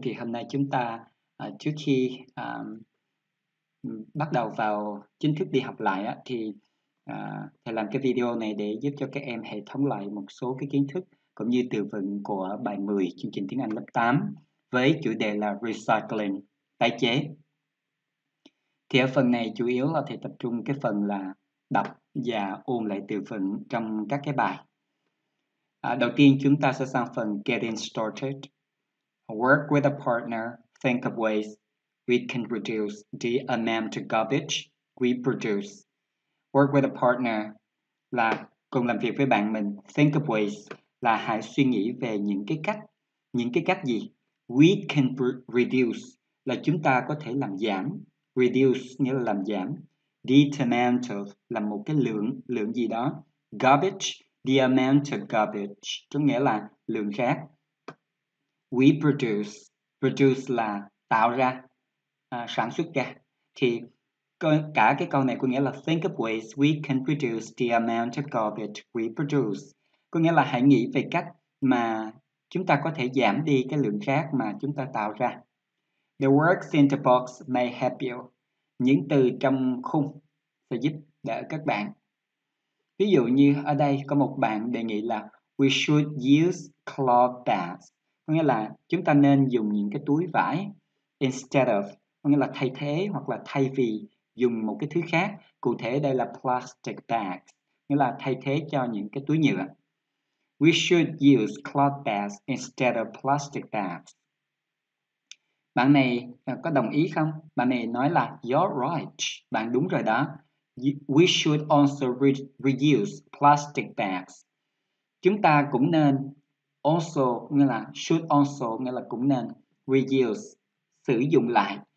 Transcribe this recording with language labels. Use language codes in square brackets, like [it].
[vi] Thì hôm nay chúng ta trước khi bắt đầu vào chính thức đi học lại á, thì thầy làm cái video này để giúp cho các em hệ thống lại một số cái kiến thức cũng như từ vựng của bài 10 chương trình tiếng Anh lớp 8 với chủ đề là recycling, tái chế. Thì ở phần này chủ yếu là thầy tập trung cái phần là đọc và ôn lại từ vựng trong các cái bài. Đầu tiên chúng ta sẽ sang phần getting started. [en] Work with a partner, think of ways we can reduce the amount of garbage we produce. Work with a partner [vi] là cùng làm việc với bạn mình. [en] Think of ways [vi] là hãy suy nghĩ về những cái cách gì. [en] We can reduce [vi] là chúng ta có thể làm giảm. Reduce nghĩa là làm giảm. [en] The amount of [vi] là một cái lượng gì đó. Garbage, [en] the amount of garbage, [vi] có nghĩa là lượng rác. [en] We produce, [vi] produce là tạo ra, sản xuất ra. Thì cả cái câu này có nghĩa là [en] think of ways we can reduce the amount of garbage we produce. [vi] Có nghĩa là hãy nghĩ về cách mà chúng ta có thể giảm đi cái lượng rác mà chúng ta tạo ra. [en] The words in the box may help you. [vi] Những từ trong khung sẽ giúp đỡ các bạn. Ví dụ như ở đây có một bạn đề nghị là [en] we should use cloth bags. [vi] Có nghĩa là chúng ta nên dùng những cái túi vải instead of, có nghĩa là thay thế hoặc là thay vì dùng một cái thứ khác. Cụ thể đây là plastic bags, nghĩa là thay thế cho những cái túi nhựa. [en] We should use cloth bags instead of plastic bags. [vi] Bạn này có đồng ý không? Bạn này nói là [en] you're right, [vi] bạn đúng rồi đó. [en] We should also reuse plastic bags. [vi] Chúng ta cũng nên also, nghĩa là should also, nghĩa là cũng nên reuse, sử dụng lại.